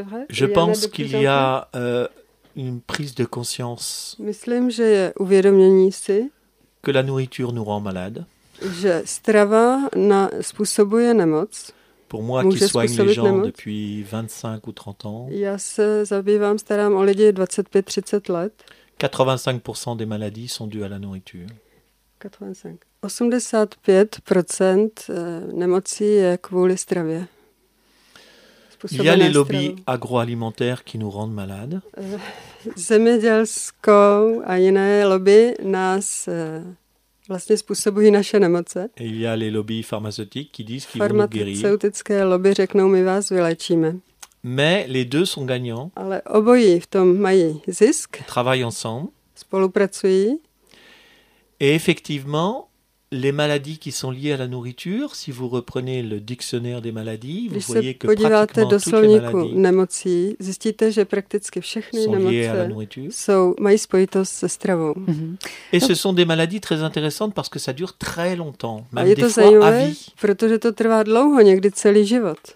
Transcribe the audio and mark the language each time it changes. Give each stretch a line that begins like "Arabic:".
French: Je pense qu'il y a une prise de conscience.
Czech: Myslím, že je uvědomění si,
French: que la nourriture nous rend malade.
Czech: Že strava způsobuje nemoc.
French: Pour moi qui soigne les gens depuis 25 ou 30 ans.
Czech: Já se zabývám, starám o lidi 25-30 let.
French: 85% des maladies sont dues à la nourriture.
Czech: 85% nemocí je kvůli stravě.
French: Il y a les lobbies agroalimentaires qui nous rendent malades.
Czech: Zemědělskou a jiné lobby nás vlastně způsobují naše nemoce.
French: Il y a les lobbies pharmaceutiques qui disent qu'ils vont nous guérir.
Czech: Farmaceutické lobby řeknou, my vás vyléčíme.
French: Mais les deux sont gagnants.
Czech: Ale obojí v tom mají zisk.
French: Travaillent ensemble.
Czech: Spolupracují.
French: Et effectivement, les maladies qui sont liées à la nourriture, si vous reprenez le dictionnaire des maladies, vous voyez que pratiquement toutes les maladies.
Czech: Když se podíváte do slovníku nemocí, zjistíte, že prakticky všechny nemoce mají spojitost se stravou. Mm-hmm.
French: Et ce sont des maladies très intéressantes parce que ça dure très longtemps, même des fois
Czech: zajímavé,
French: à vie.
Czech: Protože to trvá dlouho, někdy celý život.